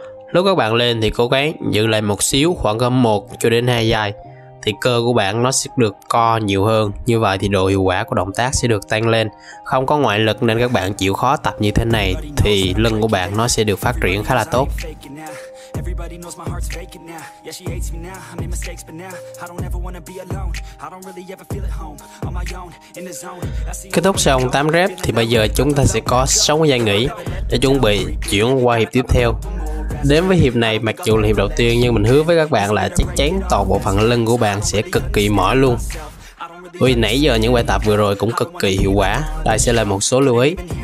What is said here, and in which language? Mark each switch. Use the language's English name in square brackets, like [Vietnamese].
[Vietnamese] Lúc các bạn lên thì cố gắng giữ lại một xíu, khoảng 1 cho đến 2 giây thì cơ của bạn nó sẽ được co nhiều hơn. Như vậy thì độ hiệu quả của động tác sẽ được tăng lên. Không có ngoại lực nên các bạn chịu khó tập như thế này thì lưng của bạn nó sẽ được phát triển khá là tốt. [English] Everybody knows my heart's faking now. Yeah, she hates me now. I made mistakes, but now I don't ever wanna be alone. I don't really ever feel at home on my own in the zone. [Vietnamese] Kết thúc xong 8 rep thì bây giờ chúng ta sẽ có 6 giây nghỉ để chuẩn bị chuyển qua hiệp tiếp theo. Đến với hiệp này, mặc dù là hiệp đầu tiên nhưng mình hứa với các bạn là chắc chắn toàn bộ phần lưng của bạn sẽ cực kỳ mỏi luôn. Vì nãy giờ những bài tập vừa rồi cũng cực kỳ hiệu quả. Đây sẽ là một số lưu ý.